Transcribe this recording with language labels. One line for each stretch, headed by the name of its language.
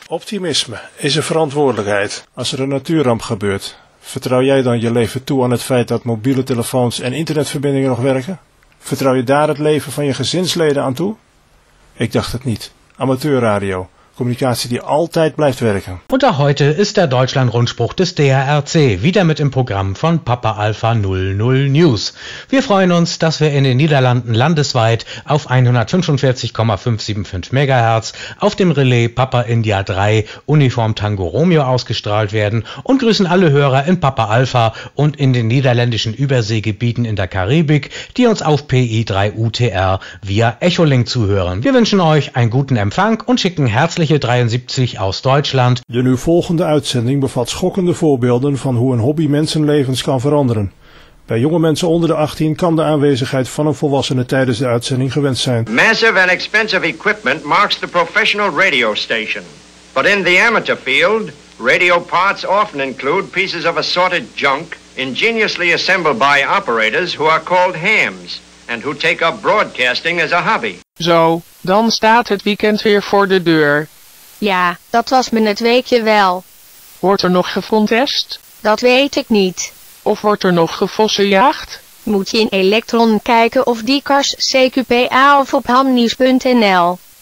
Dutch: Optimisme is een verantwoordelijkheid. Als er een natuurramp gebeurt, vertrouw jij dan je leven toe aan het feit dat mobiele telefoons en internetverbindingen nog werken? Vertrouw je daar het leven van je gezinsleden aan toe? Ik dacht het niet. Amateurradio. Communicatie die altijd blijft werken.
German: Und auch heute ist der Deutschlandrundspruch des DRRC wieder mit im Programm von Papa Alpha 00 News. Wir freuen uns, dass wir in den Niederlanden landesweit auf 145,575 MHz auf dem Relais Papa India 3 Uniform Tango Romeo ausgestrahlt werden und grüßen alle Hörer in Papa Alpha und in den niederländischen Überseegebieten in der Karibik, die uns auf PI3 UTR via Echolink zuhören. Wir wünschen euch einen guten Empfang und schicken herzliche 73 aus Deutschland.
Dutch: De nu volgende uitzending bevat schokkende voorbeelden van hoe een hobby mensenlevens kan veranderen. Bij jonge mensen onder de 18 kan de aanwezigheid van een volwassene tijdens de uitzending gewend zijn.
English: Massive and expensive equipment marks the professional radio station. But in the amateur field, radio parts often include pieces of assorted junk, ingeniously assembled by operators who are called hams and who take up broadcasting as a hobby.
Dutch: Zo, dan staat het weekend weer voor de deur. Ja, dat was me het weekje wel. Wordt er nog gefontest? Dat weet ik niet. Of wordt er nog gevossenjaagd? Moet je in Electron kijken of die kars CQPA of op hamnieuws.nl?